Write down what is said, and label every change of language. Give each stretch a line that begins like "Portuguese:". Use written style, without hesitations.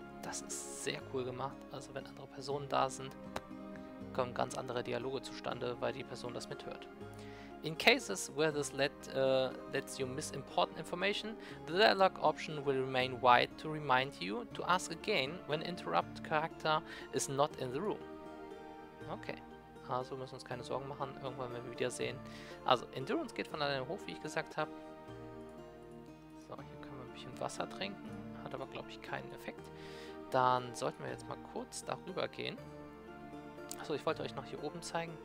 German: Das ist sehr cool gemacht, also wenn andere Personen da sind, kommen ganz andere Dialoge zustande, weil die Person das mithört.
English: In cases where this lets you miss important information, the dialogue option will remain white to remind you to ask again when interrupt character is not in the room.
German: Okay, also müssen wir uns keine Sorgen machen, irgendwann werden wir wieder sehen. Also, Endurance geht von alleine hoch, wie ich gesagt habe. So, hier können wir ein bisschen Wasser trinken, hat aber glaube ich keinen Effekt. Dann sollten wir jetzt mal kurz darüber gehen. Achso, ich wollte euch noch hier oben zeigen.